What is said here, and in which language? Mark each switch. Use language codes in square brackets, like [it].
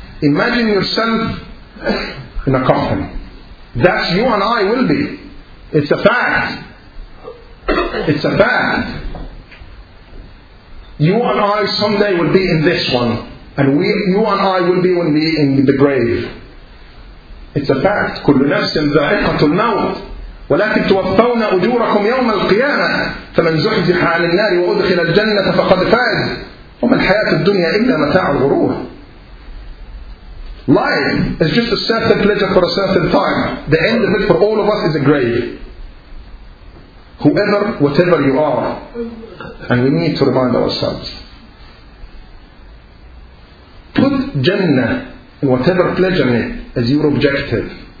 [en] Imagine yourself in a coffin. That's you and I will be. It's a fact. It's a fact. You and I someday will be in this one. And we, you and I will be when we in the grave. It's a fact. [ar] كل نفس ذائقة الموت ولكن توفون أجوركم يوم القيامة فمن زحزح عن النار وأدخل الجنة فقد فاز وما الحياة الدنيا إلا متاع الغرور. [en] Life is just a certain pleasure for a certain time. The end of it for all of us is a grave. Whoever, whatever you are. And we need to remind ourselves. Put Jannah, whatever pleasure in it, as your objective.